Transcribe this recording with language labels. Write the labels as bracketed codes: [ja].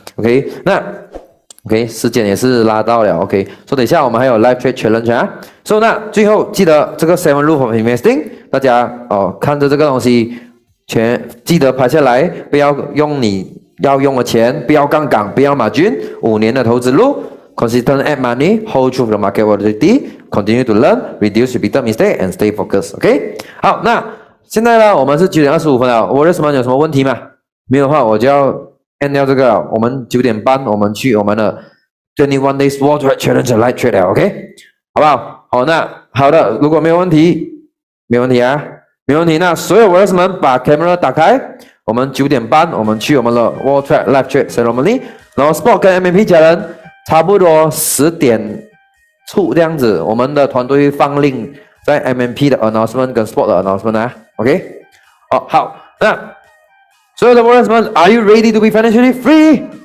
[zh] OK， 那 OK 时间也是拉到了。 OK， 所、so, 以等一下我们还有 live trade challenge 啊。所、so, 以那最后记得这个 Seven Rules of Investing， 大家哦看着这个东西全记得拍下来，不要用你要用的钱，不要杠杆，不要margin，五年的投资路。 [en] Consistent add money, hold true for the market volatility, continue to learn, reduce repeated mistake, and stay focused. [zh] OK， 好，那现在呢，我们是9:25了。我有什么问题吗？没有的话，我就要 end 掉这个了。我们9:30，我们去我们的 21 days worldwide challenge light trade 了。OK， 好不好？好，那好的，如果没有问题，没有问题啊，没有问题。那所有我有什么把 camera 打开，我们9:30，我们去我们的 worldwide light trade ceremony， 然后 sport 跟 MVP 家人。差不多10:00这样子，我们的团队会放令在 MMP 的 announcement 跟 sport 的 announcement 啊。 OK， 好、oh, 好，那所有的 warriors 们 ， [en] Are you ready to be financially free？